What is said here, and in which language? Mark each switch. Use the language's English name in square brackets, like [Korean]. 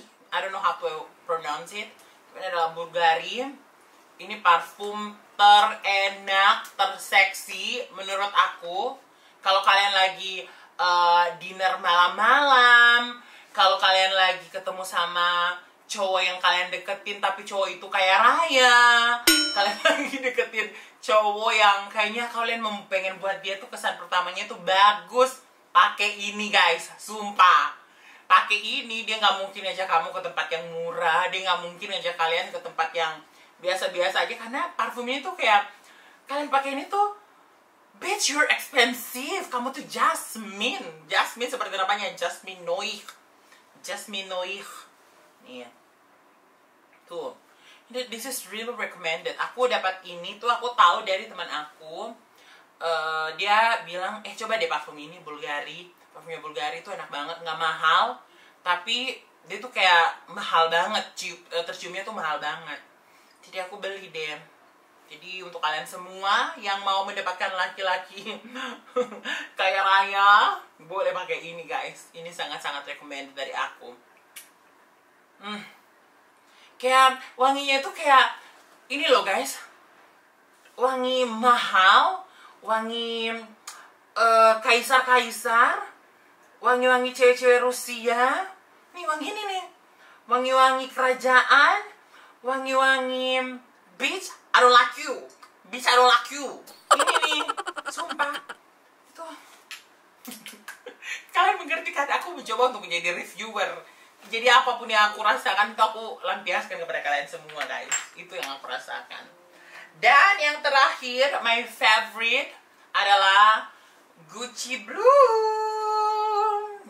[English] I don't know how to pronounce it. [Indonesian] Ini adalah Bulgari. Ini parfum terenak, terseksi menurut aku. Kalau kalian lagi dinner malam-malam, kalau kalian lagi ketemu sama cowok yang kalian deketin tapi cowok itu kaya raya. Kalian lagi deketin cowok yang kayaknya kalian pengen buat dia tuh kesan pertamanya tuh bagus. Pakai ini guys, sumpah. Pakai ini, dia gak mungkin ngajak kamu ke tempat yang murah. Dia gak mungkin ngajak kalian ke tempat yang biasa-biasa aja. Karena parfumnya tuh kayak, kalian pakai ini tuh, [English] bitch, you're expensive. [Indonesian] Kamu tuh Jasmine. Jasmine seperti namanya, Jasmine Noir. Jasmine Noir. [English] Yeah. [Indonesian] Tuh, [English] this is really recommended. [Indonesian] Aku dapat ini tuh, aku tahu dari teman aku. Dia bilang, coba deh parfum ini, Bulgari. Parfumnya Bulgari tuh enak banget, gak mahal. Tapi dia tuh kayak mahal banget, terciumnya tuh mahal banget. Jadi aku beli deh. Jadi untuk kalian semua yang mau mendapatkan laki-laki kaya raya, boleh pakai ini guys. Ini sangat-sangat recommended dari aku. Kayak wanginya tuh kayak ini loh guys, wangi mahal, wangi kaisar-kaisar, wangi-wangi cewek-cewek Rusia. Nih wangi ini nih, wangi-wangi kerajaan, wangi-wangi [English] bitch, I don't like you, [Indonesian] bitch, I don't like you. Ini nih, sumpah. Itu kalian mengerti kan, aku mencoba untuk menjadi reviewer. Jadi apapun yang aku rasakan, itu aku lampiaskan kepada kalian semua, guys. Itu yang aku rasakan. Dan yang terakhir, [English] my favorite [Indonesian] adalah Gucci Bloom.